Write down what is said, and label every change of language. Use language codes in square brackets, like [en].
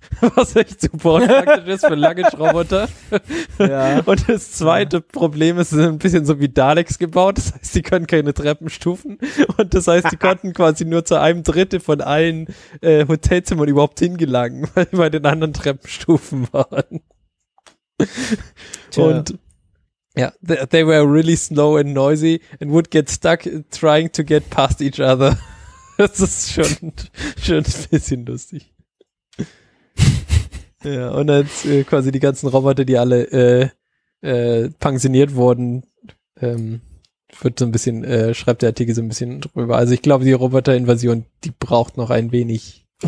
[de] was echt super unpraktisch ist für Luggage-Roboter. Ja. Und das zweite Problem ist, sie sind ein bisschen so wie Daleks gebaut. Das heißt, sie können keine Treppenstufen. Und das heißt, sie konnten quasi nur zu einem Drittel von allen Hotelzimmern überhaupt hingelangen, weil sie bei den anderen Treppenstufen waren. Tja. Und ja, [en] they were really slow and noisy and would get stuck trying to get past each other. [de] Das ist schon ein bisschen lustig. Ja, und als quasi die ganzen Roboter, die alle pensioniert wurden, wird so ein bisschen, schreibt der Artikel so ein bisschen drüber. Also ich glaube, die Roboter-Invasion, die braucht noch ein wenig.